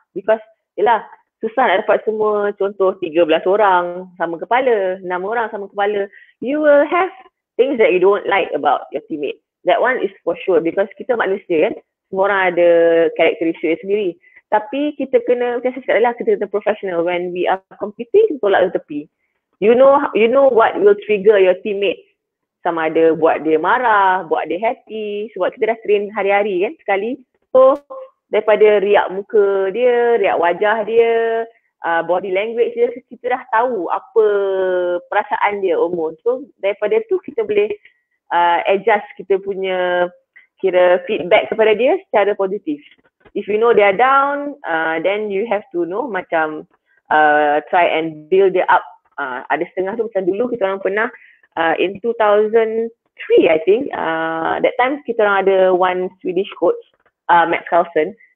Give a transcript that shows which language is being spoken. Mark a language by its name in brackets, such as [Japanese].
[Malay] Because, yelah, susah nak dapat semua. Contoh, 13 orang sama kepala, 6 orang sama kepala. [English] You will have things that you don't like about your teammate. That one is for sure. [Malay] Because kita manusia kan, semua orang ada characteristic sendiri. Tapi kita kena, macam saya cakap, kita kena professional. [English] When we are competing, [Malay] kita tolak ke tepi. [English] You know what will trigger your teammate. [Malay] Sama ada buat dia marah, buat dia happy, sebab kita dah train hari-hari kan sekali. So daripada riak muka dia, riak wajah dia, body language dia, kita dah tahu apa perasaan dia umur. So daripada tu kita boleh adjust kita punya kira feedback kepada dia secara positif. [English] If you know they are down, then you have to know macam try and build dia up. [Malay] Ada setengah tu macam dulu kita orang pernah [English] in 2000 three, I think. That time [Malay] kita orang ada [English] one Swedish coach, Matt Carlson.